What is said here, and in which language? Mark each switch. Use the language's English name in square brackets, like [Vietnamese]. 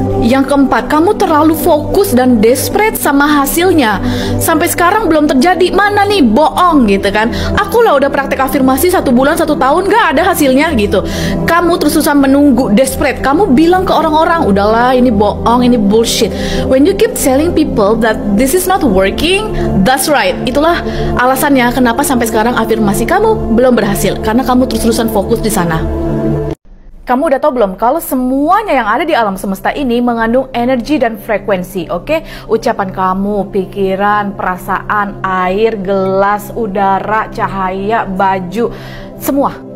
[Indonesian] Yang keempat, kamu terlalu fokus dan desperate sama hasilnya. Sampai sekarang belum terjadi, mana nih bohong gitu kan? Aku lah udah praktek afirmasi 1 bulan, 1 tahun, gak ada hasilnya gitu. Kamu terus-terusan menunggu, desperate. Kamu bilang ke orang-orang, udahlah ini bohong, ini bullshit. [English] When you keep telling people that this is not working, that's right. [Indonesian] Itulah alasannya kenapa sampai sekarang afirmasi kamu belum berhasil. Karena kamu terus-terusan fokus di sana. Kamu udah tau belum kalau semuanya yang ada di alam semesta ini mengandung energi dan frekuensi, oke? Okay? Ucapan kamu, pikiran, perasaan, air, gelas, udara, cahaya, baju, semua.